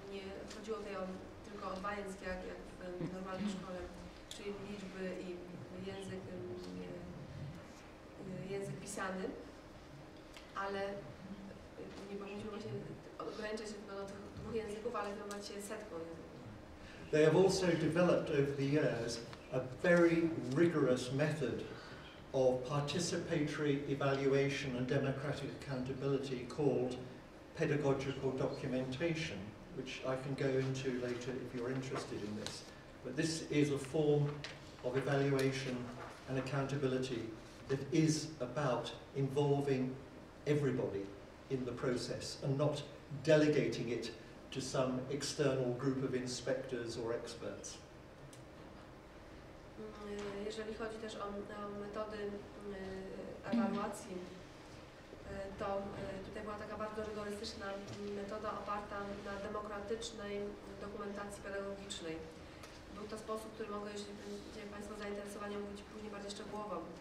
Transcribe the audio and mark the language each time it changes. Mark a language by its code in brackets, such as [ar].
[pl] Nie chodziło tutaj tylko o dwa języki, jak w normalnej szkole, czyli liczby i język pisany. Ale nie powinniśmy właśnie ograniczać się tylko do tych dwóch języków, ale wymagać się setką języków. [en] They have also developed over the years a very rigorous method of participatory evaluation and democratic accountability called pedagogical documentation, which I can go into later if you're interested in this. But this is a form of evaluation and accountability that is about involving everybody in the process and not delegating it to some external group of inspectors or experts. [pl] Jeżeli chodzi też o metody ewaluacji, to tutaj była taka bardzo rygorystyczna metoda oparta na demokratycznej dokumentacji pedagogicznej. Był to sposób, który mogę, jeśli będzie Państwo zainteresowani, mówić później bardziej szczegółowo.